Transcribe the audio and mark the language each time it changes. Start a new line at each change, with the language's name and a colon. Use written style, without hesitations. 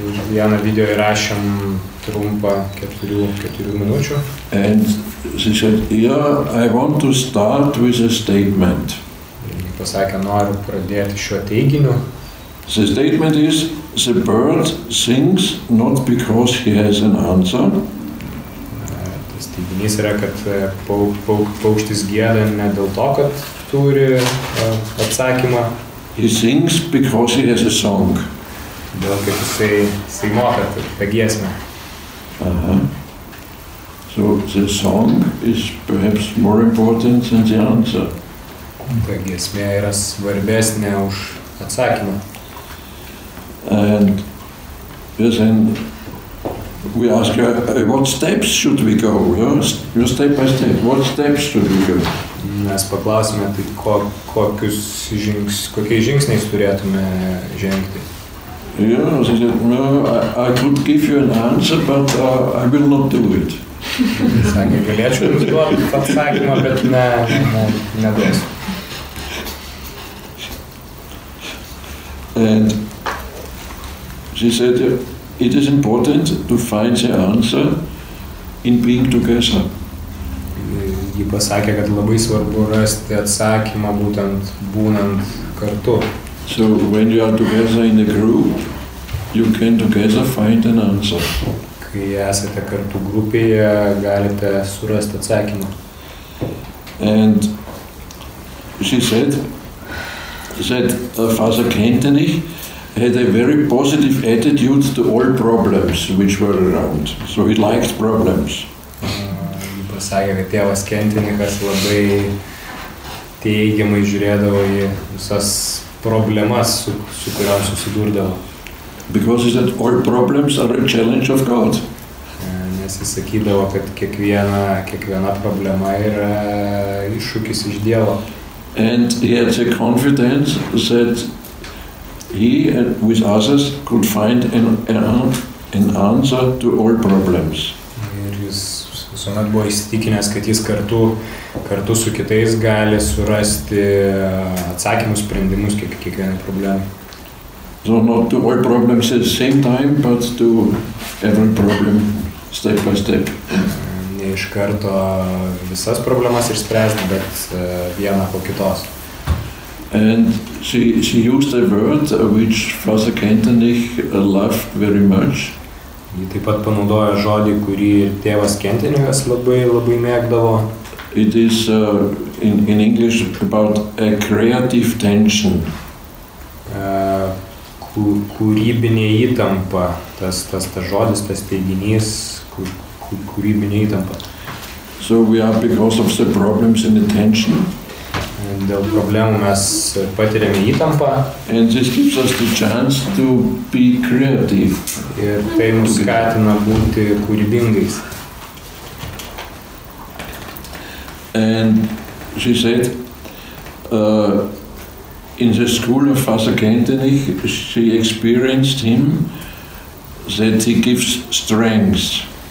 Lithuanian: Vieną video įrašėm trumpą 4 minučių.
English: And she said, yeah, I want to start with a statement.
Lithuanian: Jis pasakė, noriu pradėti šiuo teiginiu.
English: The statement is, the bird sings not because he has an answer.
Lithuanian: Tas teiginys yra, kad paukštis gėda ne dėl to, kad turi atsakymą.
English: He sings because he has a song.
Lithuanian: Dėl, kad jisai moka tą giesmę.
English: So the song is perhaps more important than the answer.
Lithuanian: Ta giesmė yra svarbesnė už atsakymą.
English: And yes, and we ask her, what steps should we go? You step by step, what steps should we go?
Lithuanian: Mes paklausime, tai kokiais žingsniais turėtume žengti.
English: Yeah, she said, no, I could give you an answer, but I will not do it.
Lithuanian: Sakė, galėčiau jums duoti atsakymą, bet ne, nedosiu.
English: And she said, it is important to find the answer in being together.
Lithuanian: Ji pasakė, kad labai svarbu rasti atsakymą būtent būnant kartu.
English: So when you are together in a group, you can together find an answer.
Lithuanian: Kai esate kartu grupėje, galite surasti atsakymą.
English: And she said Father Kentenicho had a very positive attitude to all problems which were around. So he liked problems.
Lithuanian: Ji pasakė, kad tėvas Kentenichas labai teigiamai žiūrėdavo į visas problemas, su kuriam susidurdavo.
English: Because he said all problems are a challenge of God.
Lithuanian: Nes sakydavo, kad kiekviena problema yra iššūkis iš Dievo.
English: And he had the confidence that he and with others could find an answer to all problems.
Lithuanian: Ir jis visuomet buvo įsitikinęs, kad jis kartu su kitais gali surasti atsakymus, sprendimus kiekvienai problemai.
English: So not to all problems at the same time, but to every problem step by step.
Lithuanian: Ne iš karto visas problemas išspręsti, bet vieną po kitos.
English: And she used a word which Father Kentenicho loved very much.
Lithuanian: Ji taip pat panaudojo žodį, kurį tėvas Kentenichas labai labai mėgdavo.
English: It is in English about a creative tension.
Lithuanian: Kūrybinė įtampa, tas žodis, tas teiginys, kūrybinė įtampa.
English: So we are because of the problems and the tension.
Lithuanian: Dėl problemų mes patiriame įtampą.
English: And this gives us the chance to be creative.
Lithuanian: Ir tai mus skatina būti kūrybingais.
English: And she said, in the school of Father Kentenich, she experienced him that he gives strength.